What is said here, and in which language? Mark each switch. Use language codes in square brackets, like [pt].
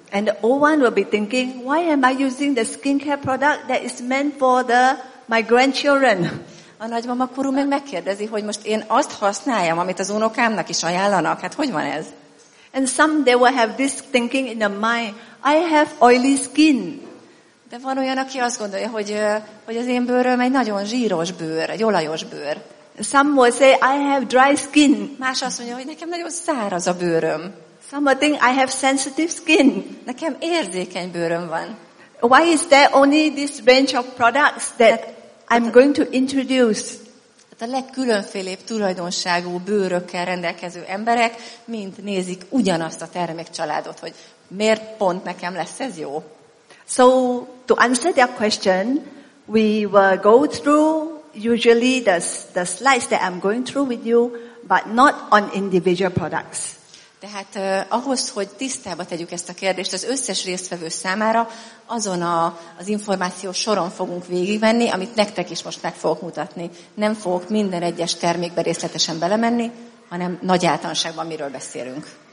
[en] And the old one will be thinking, why am I using the skincare product that is meant for my grandchildren? [hu] A nagymama korú meg megkérdezi, hogy most én azt használjam, amit az unokámnak is ajánlanak. Hát hogy van ez? [en] And some they will have this thinking in their mind, I have oily skin. [hu] De van olyan, aki azt gondolja, hogy az én bőröm egy nagyon zsíros bőr, egy olajos bőr. [en] Some will say, I have dry skin. [hu] Más azt mondja, hogy nekem nagyon száraz a bőröm. [en] Some will think, I have sensitive skin. [hu] Nekem érzékeny bőröm van. [en] Why is there only this range of products that I'm going to introduce? [hu] A legkülönfélébb tulajdonságú bőrökkel rendelkező emberek mind nézik ugyanazt a termékcsaládot, hogy miért pont nekem lesz ez jó? [en] So, to answer their question, we will go through usually the slides that I'm going through with you, but not on individual products. [hu] Tehát ahhoz, hogy tisztába tegyük ezt a kérdést az összes résztvevő számára, azon az információs soron fogunk végigvenni, amit nektek is most meg fogok mutatni. Nem fogok minden egyes termékbe részletesen belemenni, hanem nagy általánosságban miről beszélünk.